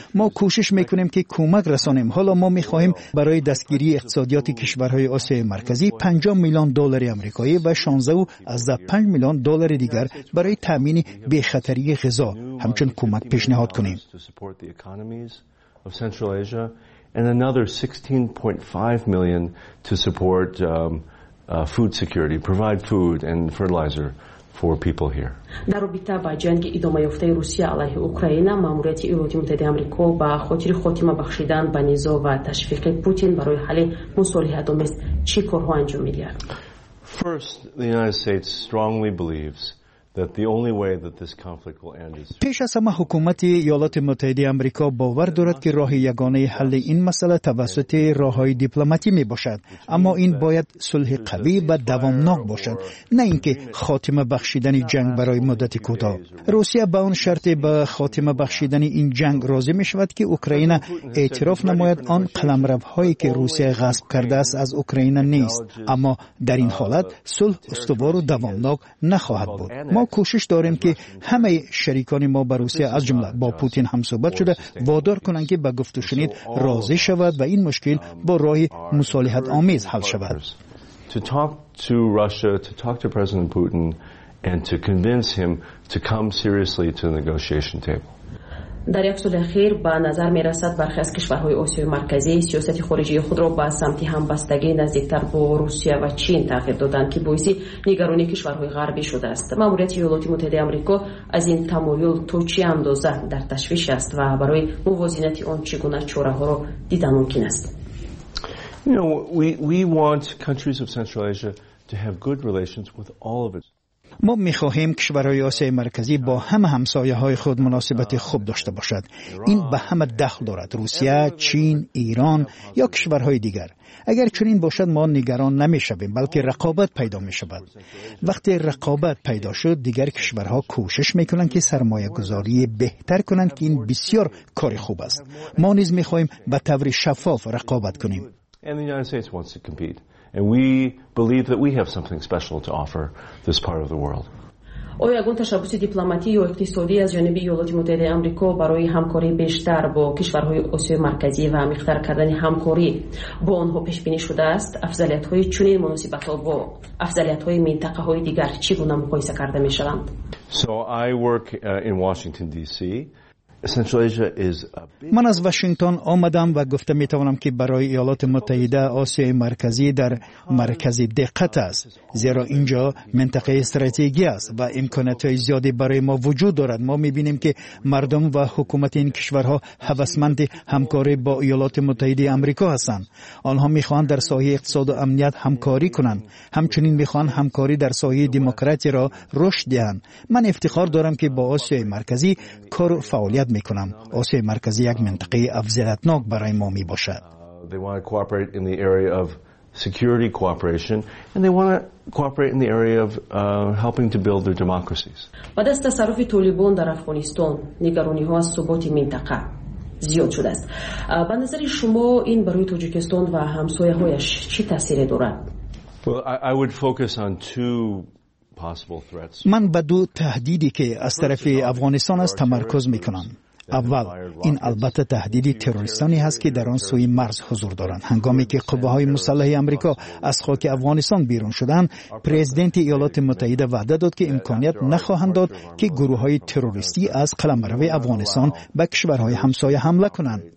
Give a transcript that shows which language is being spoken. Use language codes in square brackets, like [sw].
[fa] ما کوشش می‌کنیم که کمک رسانیم. حالا ما می‌خواهیم برای دستگیری اقتصادیات کشورهای آسیای مرکزی 50 میلیون دلار آمریکایی و 16.5 میلیون دلار دیگر برای تامین بی‌خطری غذا همچون کمک پیشنهاد کنیم. [en] And another 16.5 million to support food security, provide food and fertilizer for people here. [fa] در رابطه با جنگ ادامه یافته روسیه علیه اوکراین، ماموریت ایالات متحده آمریکا با خاطر خاتمه بخشیدن به نزاع و تشویق پوتین برای حل مصالحه‌آمیز چی کارها انجام می‌دهد؟ [en] First, the United States strongly believes that the only way that this conflict will end is [fa] پیش از همه حکومت ایالات متحده آمریکا باور دارد که راه یگانه حل این مسئله توسط راه‌های دیپلماتیک میباشد، اما این باید صلح قوی و دوامناک باشد، نه اینکه خاتمه بخشیدن جنگ برای مدت کوتاه. روسیه به آن شرط به خاتمه بخشیدن این جنگ راضی میشود که اوکراین اعتراف نماید آن قلمروهایی که روسیه غصب کرده است از اوکراین نیست، اما در این حالت صلح استوار و دوامناک نخواهد بود. ما کوشش داریم که همه شریکان ما به روسیه از جمله با پوتین هم صحبت شده وادار کنند که به گفت و شنید راضی شود و این مشکل با راه مصالحت آمیز حل شود. [en] To talk to Russia, to talk to President Putin and to convince him to come seriously to the negotiation table. [fa] در یک سال اخیر به نظر می رسد برخی از کشورهای آسیای مرکزی سیاست خارجی خود را به سمت همبستگی نزدیکتر با روسیه و چین تغییر دادند که باعث نگرانی کشورهای غربی شده است. ماموریت ایالات متحده آمریکا از این تمایل تا چه اندازه در تشویش است و برای موازنت آن چگونه چاره ها را دیدن ممکن است؟ [en] We want countries of Central Asia to have good relations with all of its. [fa] ما می خواهیم کشورهای آسیای مرکزی با همه همسایه های خود مناسبت خوب داشته باشد. این به همه دخل دارد، روسیه، چین، ایران یا کشورهای دیگر. اگر چنین باشد ما نگران نمی شویم، بلکه رقابت پیدا می شود. وقتی رقابت پیدا شد دیگر کشورها کوشش می کنند که سرمایه گذاری بهتر کنند، که این بسیار کار خوب است. ما نیز می خواهیم به طور شفاف رقابت کنیم. [en] And we believe that we have something special to offer this part of the world. [fa] آیا گونه تشبث دیپلماتیک و اقتصادی از جانب ایالات متحده آمریکا برای همکاری بیشتر با کشورهای آسیای مرکزی و مختار کردن همکاری با آنها پیش بینی شده است؟ افضلیت های چنین مناسبت ها با افضلیت های منطقه های دیگر چگونه مقایسه کرده می شوند؟ [en] So I work in Washington DC [fa] من از واشنگتن آمدم و گفته می توانم که برای ایالات متحده آسیای مرکزی در مرکز دقت است، زیرا اینجا منطقه استراتژی است و امکانات زیادی برای ما وجود دارد. ما می بینیم که مردم و حکومت این کشورها هوسمند همکاری با ایالات متحده آمریکا هستند. آنها می خواهند در سایه اقتصاد و امنیت همکاری کنند، همچنین می خواهند همکاری در سایه دموکراسی را رشد دهند. من افتخار دارم که با آسیای مرکزی کار و فعالیت می کنم. آسیای مرکزی یک منطقه افضلتناک برای ما می باشد. [en] Security cooperation, and they want to cooperate in the area of helping to build their democracies. [fa] بعد از تصرف طالبان در افغانستان، نگرانی‌ها از ثبات منطقه زیاد شده است. به نظر شما این برای تاجیکستان و همسایه‌هایش چه تأثیری دارد؟ [en] Well, I would focus on two possible threats. [fa] من به دو تهدیدی که از طرف افغانستان است تمرکز می‌کنم. اول، این البته تهدیدی تروریستانی هست که در آن سوی مرز حضور دارند. هنگامی که قواهای مسلح امریکا از خاک افغانستان بیرون شدند، پرزیدنت ایالات متحده وعده داد که امکانیت نخواهند داد که گروه های تروریستی از قلمرو افغانستان به کشورهای همسایه حمله کنند.